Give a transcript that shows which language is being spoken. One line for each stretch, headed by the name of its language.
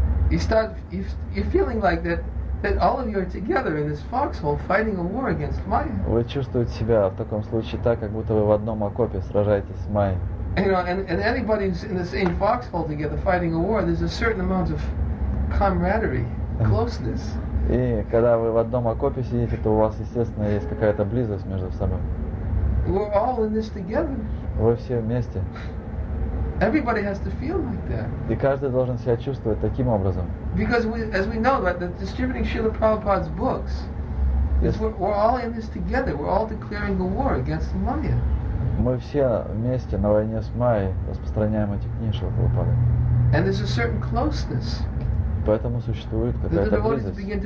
English: You're feeling like that all of you are together in this foxhole fighting a war against Maya.
Russian: Вы чувствуете себя в таком случае так, как будто вы в одном окопе сражаетесь с Майей.
English: You know, and anybody's in the same foxhole together fighting a war, there's a certain amount of camaraderie, closeness.
Russian: И когда вы в одном окопе сидите, то у вас, естественно, есть какая-то близость между собой.
English: We're all in this together.
Russian: Вы все вместе.
English: Everybody has to feel like that.
Russian: И каждый должен себя чувствовать таким образом.
English: Because we, as we know, that distributing Srila Prabhupada's books, yes. We're all in this together. We're all declaring a war against the Maya.
Russian: Мы все вместе на войне с Майей распространяем эти книги Шрила Прабхупады.
English: And there's a certain closeness.
Russian: Поэтому существует какая-то близость.